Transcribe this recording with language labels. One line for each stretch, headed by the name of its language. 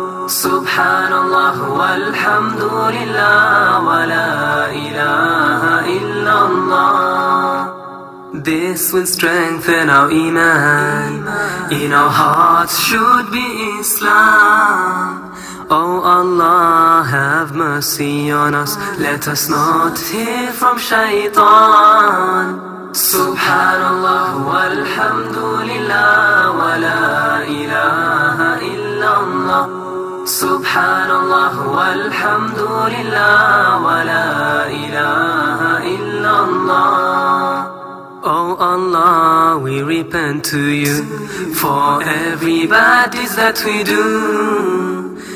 Arabic: Subhanallah, walhamdulillah, wa la ilaha illallah.
English: This will strengthen our iman. In our hearts should be Islam. O Allah, have mercy on us. Let us not hear from shaitan.
Arabic: سبحان الله والحمد لله ولا إله إلا الله سبحان الله والحمد لله ولا إله إلا الله
English: Oh Allah, we repent to you for every bad deeds that we do.